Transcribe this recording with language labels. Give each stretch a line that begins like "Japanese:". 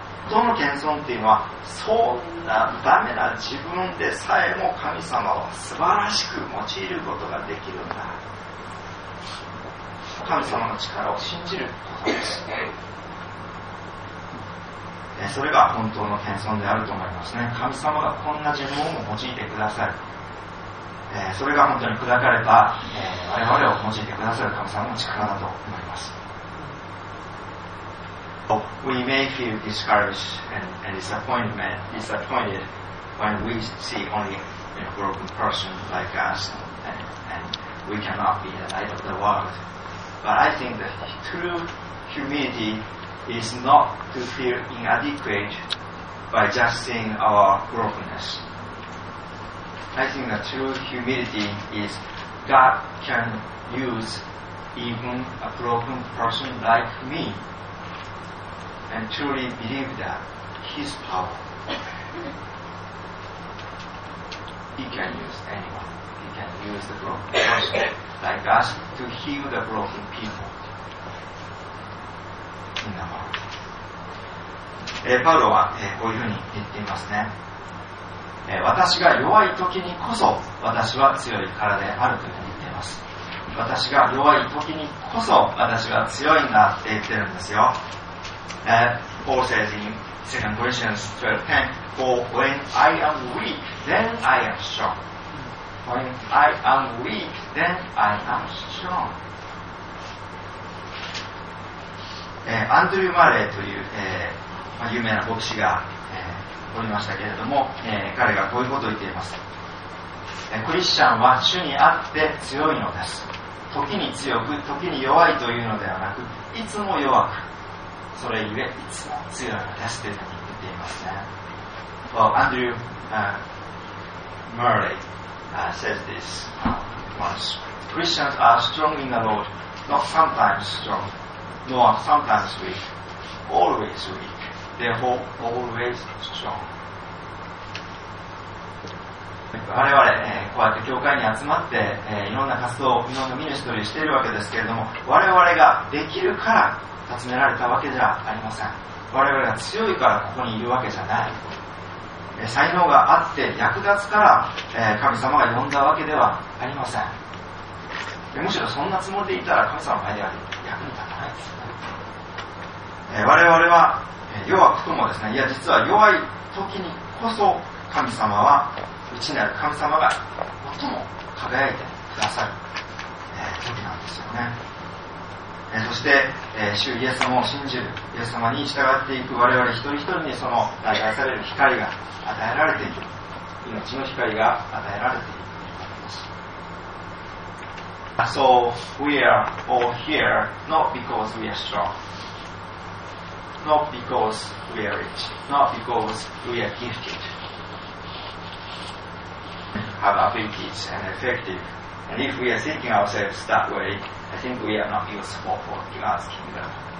Japanese: 本当の謙遜っていうのは、そんなダメな自分でさえも神様を素晴らしく用いることができるんだ、神様の力を信じることです、ね、それが本当の謙遜であると思いますね。神様がこんな自分を用いてくださる、それが本当に砕かれた、我々を用いてくださる神様の力だと思います。
English: We may feel discouraged and disappointed when we see only a broken person like us and we cannot be the light of the world. But I think that true humility is not to feel inadequate by just seeing our brokenness. I think that true humility is God can use even a broken person like meAnd truly believe that His power, He can use anyone. He can use the broken person like us to heal the broken people in the world.
Japanese: パウロは、こういうふうに言っていますね。私が弱い時にこそ私は強い体であるというふうに言っています。私が弱い時にこそ私は強いんだって言ってるんですよ。
English: Paul says in 2 Corinthians 12:10, For when I am weak, then I am strong. When I am weak, then I am strong.
Japanese: アンドリュー・マレーという、有名な牧師が、おりましたけれども、彼がこういうことを言っています。クリスチャンは主にあって強いのです。時に強く、時に弱いというのではなく、いつも弱く。それゆえいつも強いのですというふうに言っていますね。
English: Well, Andrew Murray says this once. Christians are strong in the Lord, not sometimes strong, nor sometimes weak, always weak, therefore always strong.
Japanese: 我々、こうやって教会に集まって、いろんな活動をいろんなミニストリーしているわけですけれども、我々ができるから集められたわけじゃありません。我々が強いからここにいるわけじゃない。才能があって役立つから、神様が呼んだわけではありません。でむしろそんなつもりでいたら神様の前では役に立たないですよね。我々は、弱くともですね、いや実は弱い時にこそ神様は、内なる神様が最も輝いてくださる、時なんですよね。そして、主イエス様を信じる、イエス様に従っていく我々一人一人にその代替される光が与えられている、命の光が与えられているということです。
English: So we are all here not because we are strong, not because we are rich, not because we are gifted, have abilities and effective, and if we are thinking ourselves that wayI think we are not useful for God's kingdom.